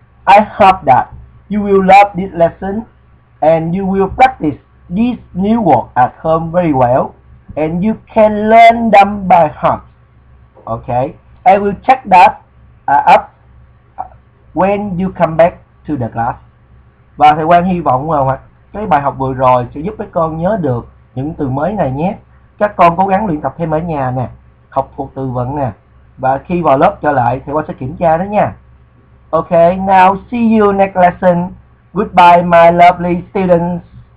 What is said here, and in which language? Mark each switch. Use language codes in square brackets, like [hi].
[en] I hope that you will love this lesson and you will practice this new work at home very well and you can learn them by heart, okay? I will check that up when you come back to the class. [vi] Và thầy Quang hy vọng rằng cái bài học vừa rồi sẽ giúp các con nhớ được những từ mới này nhé. Các con cố gắng luyện tập thêm ở nhà nè, học thuộc từ vựng nè. Và khi vào lớp trở lại thầy Quang sẽ kiểm tra đó nha. [en] Ok, now see you next lesson. Goodbye my lovely students.